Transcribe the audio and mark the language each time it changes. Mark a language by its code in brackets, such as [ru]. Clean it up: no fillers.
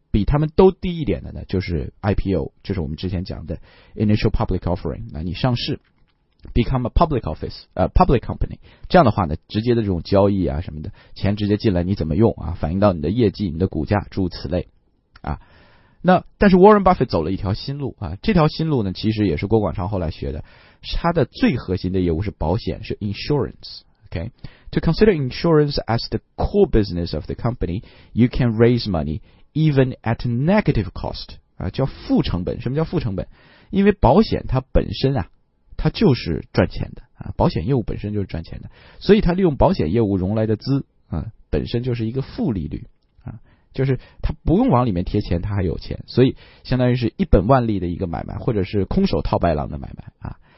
[zh] 比他们都低一点的呢，就是 IPO， 就是我们之前讲的 [en] Initial Public Offering， [zh] 那你上市 [en] Become a public office， public company， [zh] 这样的话呢，直接的这种交易啊什么的，钱直接进来你怎么用啊，反映到你的业绩，你的股价，诸如此类啊。那但是 Warren Buffett 走了一条新路啊，这条新路呢其实也是郭广昌后来学的，他的最核心的业务是保险，是 insurance。 [en] OK， To consider insurance as the core business of the company， you can raise money even at negative cost， [zh] 啊，叫负成本。什么叫负成本？因为保险它本身啊，它就是赚钱的啊，保险业务本身就是赚钱的，所以它利用保险业务融来的资啊，本身就是一个负利率啊，就是它不用往里面贴钱，它还有钱，所以相当于是一本万利的一个买卖，或者是空手套白狼的买卖啊。